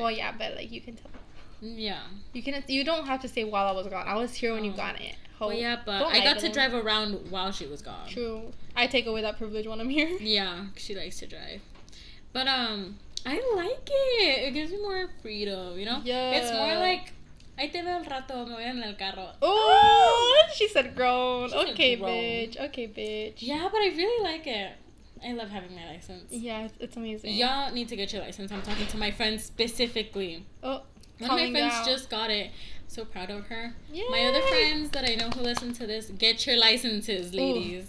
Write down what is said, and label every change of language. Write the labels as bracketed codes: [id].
[en] Well, yeah, but like you can tell. Yeah. You don't have to say while I was gone. I was here when you got it. Well, yeah, but don't I got to drive around while she was gone. True. I take away that privilege when I'm here. Yeah, she likes to drive. But, I like it. It gives me more freedom, you know? Yeah. It's more like, [es] ahí te veo al rato, me voy en el carro. [en] Oh! She said grown. Okay, bitch. Yeah, but I really like it. I love having my license. Yeah, it's amazing. Y'all need to get your license. I'm talking to my friends specifically. Oh, one of my friends out. Just got it. So proud of her. Yay. My other friends that I know who listen to this, get your licenses, ladies.